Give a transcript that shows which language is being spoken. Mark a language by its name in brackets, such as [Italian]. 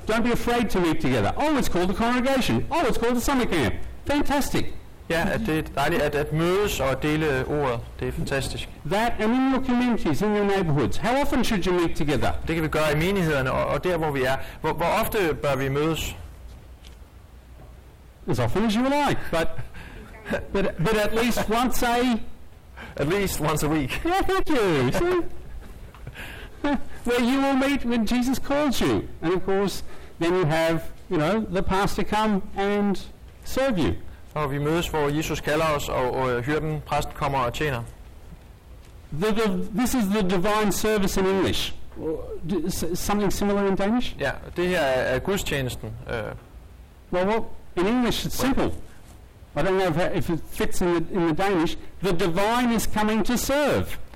[English] Don't be afraid to meet together. Oh, it's called a congregation. Oh, it's called a summer camp. Fantastic. [Danish] Yeah, det er dejligt at mødes og dele ordet. Det er fantastisk. [English] That and in your communities, in your neighborhoods. How often should you meet together? [Danish] Det kan vi gøre i menighederne og der hvor vi er. Hvor ofte bør vi mødes? [English] As often as you like, but at least once a... At least once a week. Yeah, thank you. Where you will meet when Jesus calls you. And of course, then you have, you know, the pastor come and serve you. [Danish] Og vi mødes, hvor Jesus kalder os, og hyrden, præsten, kommer og tjener. [English] This is the divine service in English. Something similar in Danish? [Danish] Ja, det her er gudstjenesten. [English] Well, in English it's simple. I don't know if it fits in the Danish. The divine is coming to serve.